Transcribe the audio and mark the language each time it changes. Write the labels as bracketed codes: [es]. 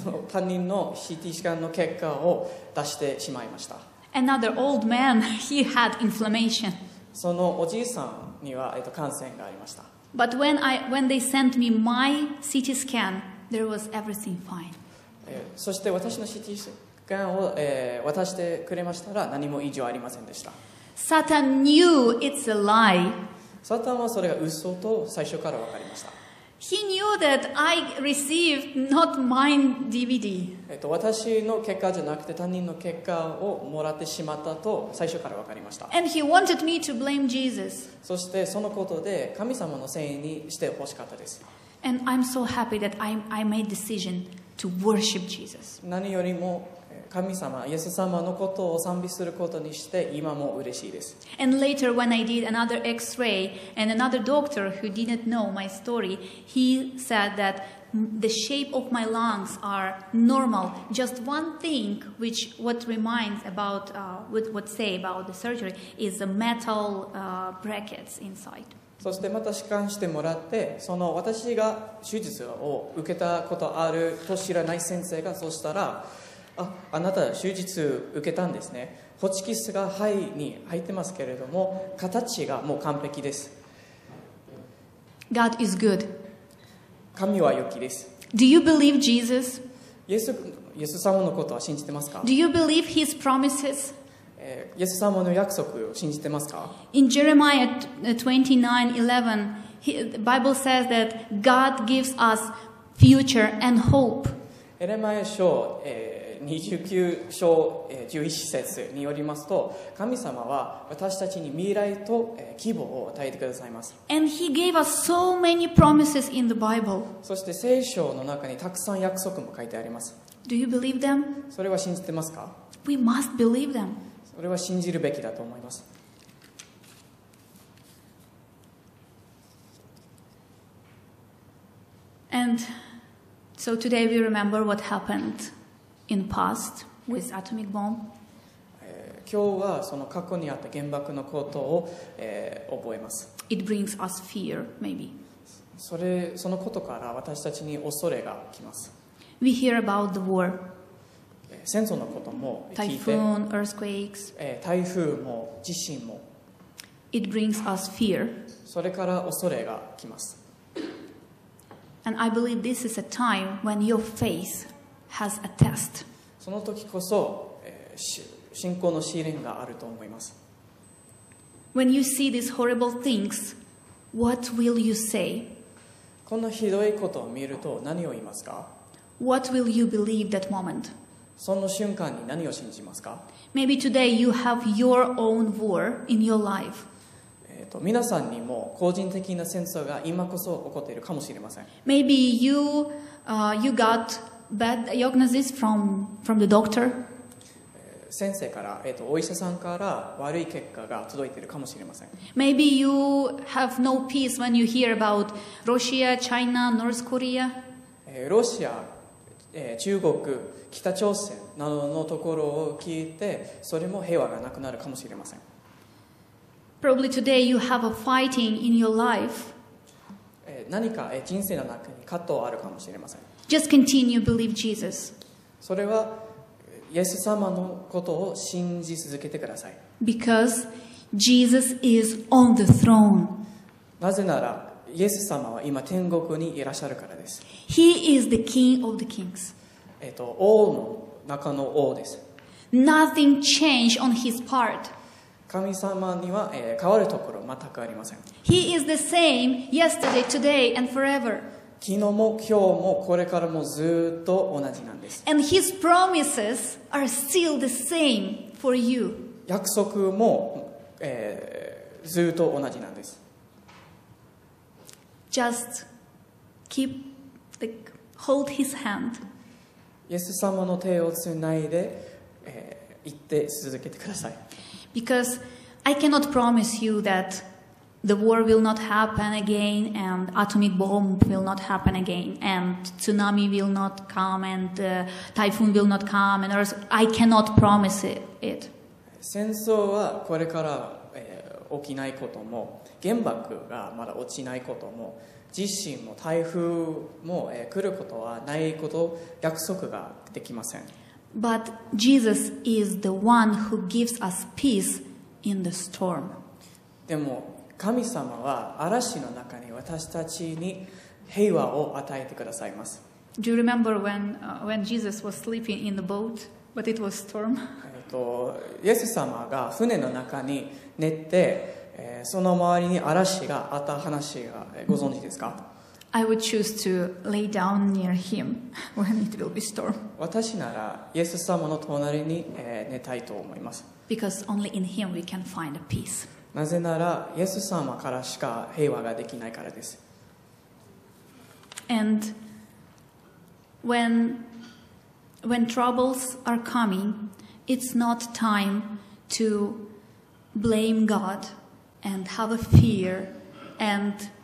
[ja] 他人の CT スキャンの結果を出してしまいました。 [en] Another old man, he had inflammation. [ja] そのおじいさんには、感染がありました。 [en] But when they sent me my CT scan, there was everything fine. [ja] そして私の CT スキャンを、渡してくれましたら何も異常ありませんでした。 [en] Satan knew it's a lie. [ja] Satan はそれが嘘と最初から分かりました。 [en] He knew that I received not mine DVD. [ja] 私の結果じゃなくて他人の結果をもらってしまったと最初から分かりました。 [en] And he wanted me to blame Jesus. [ja] そしてそのことで神様のせいにしてほしかったです。 [en] And I'm so happy that I made decision to worship Jesus. [ja] 何よりも神様、イエス様のことを賛美することにして今も嬉しいです。 [en] And later when I did another X-ray and another doctor who didn't know my story, he said that the shape of my lungs are normal. Just one thing which what reminds about would say about the surgery is the metal brackets inside. [ja] そしてまた視察してもらってその私が手術を受けたことあると知らない先生がそうしたらあなた手術受けたんですねホチキスが肺に入ってますけれども形がもう完璧です [en] God is good [ja] 神は良きです [en] Do you believe Jesus? [ja] イエス様のことは信じてますか [en] Do you believe his promises? [ja] イエス様の約束を信じてますか [en] In Jeremiah 29:11 the Bible says that God gives us future and hope [ja] エレマヤ書29章11節によりますと神様は私たちに未来と希望を与えてくださいます [en] And he gave us so many promises in the Bible. [ja] そして聖書の中にたくさん約束も書いてあります [en] Do you believe them? [ja] それは信じてますか [en] We must believe them. [ja] それは信じるべきだと思います [en] And so today we remember what happened In past with atomic bomb. [ja] 今日はその過去にあった原爆のことを、覚えます。 [en] It brings us fear, maybe. [ja] そのことから私たちに恐れがきます。 [en] We hear about the war. [ja] 戦争のことも聞いて、 [en] typhoon, earthquakes, [ja] 台風も地震も、 [en] It brings us fear. [ja] それから恐れが来ます。 [en] And I believe this is a time when your faith has a test. [ja] その時こそ、信仰の試練があると思います。 [en] When you see these horrible things, what will you say? [ja] こんなひどいことを見ると何を言いますか? [en] What will you believe that moment? [ja] その瞬間に何を信じますか? [en] Maybe today you have your own war in your life. [ja] 皆さんにも個人的な戦争が今こそ起こっているかもしれません。 [en] Maybe you got bad diagnosis from the doctor. [ja] 先生から、お医者さんから悪い結果が届いているかもしれません。 [en] Maybe you have no peace when you hear about Russia, China, North Korea. [ja] ロシア、中国、北朝鮮などのところを聞いて、それも平和がなくなるかもしれません。 [en] Probably today you have a fighting in your life. [ja] 何か人生の中に葛藤あるかもしれません。 [en] Just continue believe Jesus. [ja] それはイエス様のことを信じ続けてください。 [en] Because Jesus is on the throne. [ja] なぜなら、イエス様は今天国にいらっしゃるからです。 [en] He is the King of the Kings. [ja] 王の中の王です。 [en] Nothing changed on his part. [ja] 神様には、変わるところ全くありません。 [en] He is the same yesterday, today, and forever. [ja] 昨日も今日もこれからもずっと同じなんです。 [en] And his promises are still the same for you. [ja] 約束も、ずっと同じなんです。 [en] Just keep the hold his hand. [ja] イエス様の手をつないで、行って続けてください。 [en] Because I cannot promise you that. The war will not happen again, and atomic bomb will not happen again, and tsunami will not come, and typhoon will not come, and I cannot promise it. [ja] 戦争はこれから、起きないことも、原爆がまだ落ちないことも、地震も台風も、来ることはないこと、約束ができません。 [en] But Jesus is the one who gives us peace in the storm. [ja] でも神様は嵐の中に私たちに平和を与えてくださいます。 [en] Do you remember when Jesus was sleeping in the boat, but it was storm? [ja] イエス様が船の中に寝て、その周りに嵐があった話がご存知ですか? [en] I would choose to lay down near him when it will be storm. [ja] 私ならイエス様の隣に、寝たいと思います。 [en] Because only in him we can find a peace. [ja] なぜならイエス様からしか平和ができないからです。 [en] And when troubles are coming, it's not time to blame God and have a fear and